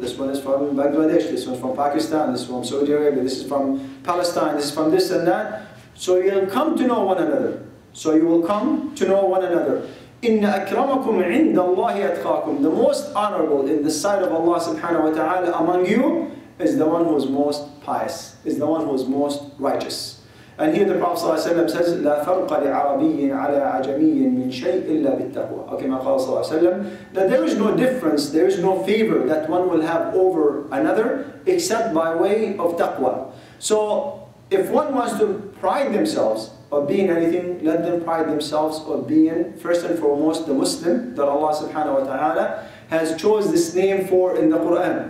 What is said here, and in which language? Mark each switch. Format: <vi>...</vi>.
<en>This one is from Bangladesh, this one from Pakistan, this one from Saudi Arabia, this is from Palestine, this is from this and that. So you'll come to know one another. So you will come to know one another.</en> <ar>إِنَّ أَكْرَمَكُمْ عِنْدَ اللَّهِ أَتْقَاكُمْ.</ar> <en>The most honorable in the sight of Allah subhanahu wa ta'ala among you is the one who is most pious, is the one who is most righteous. And here the Prophet ﷺ says,</en> <ar>لا فرق لعربي على عجمي من شيء إلا بالتقوى.</ar> <en>Okay,</en> <ar>ما قال صلى الله عليه وسلم,</ar> <en>that there is no difference, there is no favor that one will have over another except by way of taqwa. So if one wants to pride themselves of being anything, let them pride themselves of being first and foremost the Muslim that Allah subhanahu wa ta'ala has chosen this name for in the Quran.</en>